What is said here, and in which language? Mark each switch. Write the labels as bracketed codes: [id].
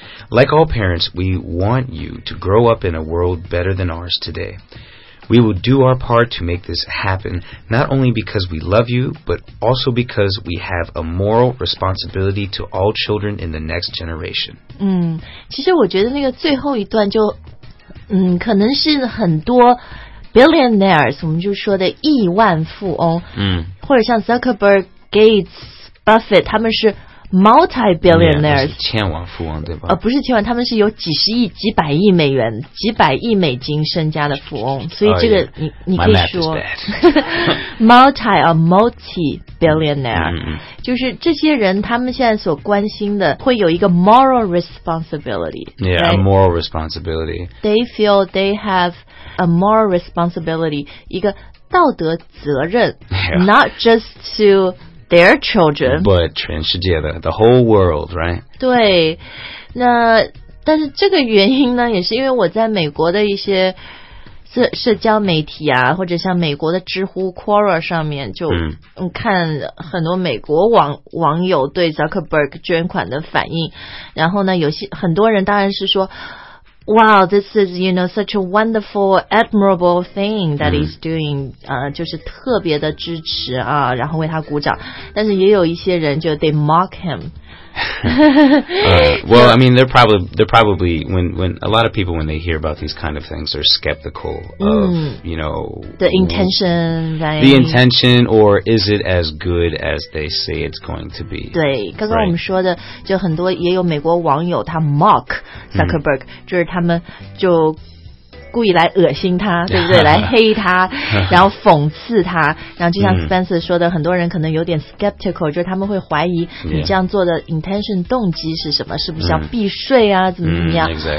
[en] Like all parents, we want you to grow up in a world better than ours today. We will do our part to make this happen, not only because we love you, but also because we have a moral responsibility to all children in the next generation. [zh] 其实我觉得那个最后一段就可能是很多 billionaires 我们就说的亿万富翁、或者像 Zuckerberg Gates Buffett 他们是 multi-billionaires 千万富翁对吧、不是千万他们是有几十亿几百亿美元几百亿美金身家的富翁所以这个、你可以说 multi-billionaire、就是这些人他们现在所关心的会有一个 moral responsibility [en] Yeah, a moral responsibility They feel they have a moral responsibility 一个道德责任、 yeah. Not just to their children But 全世界的 the whole world, right? [zh] 对那但是这个原因呢也是因为我在美国的一些社交媒体啊或者像美国的知乎 Quora 上面就、看很多美国 网友对 Zuckerberg 捐款的反应然后呢有些很多人当然是说 Wow, this is, you know, such a wonderful, admirable thing that he's doing、就是特别的支持啊然后为他鼓掌但是也有一些人就 they mock him [en] well, I mean, they're probably when a lot of people when they hear about these kind of things are skeptical of、you know the intention, the intention, or is it as good as they say it's going to be? [zh] 对，刚刚我们说的，就很多也有美国网友他 mock Zuckerberg，就是他们就故意来恶心他，对不对？来黑他，然后讽刺他。然后就像 Spencer 说的，很多人可能有点 skeptical， 就是他们会怀疑你这样做的 intention 动机是什么，是不是要避税啊，怎么怎么样？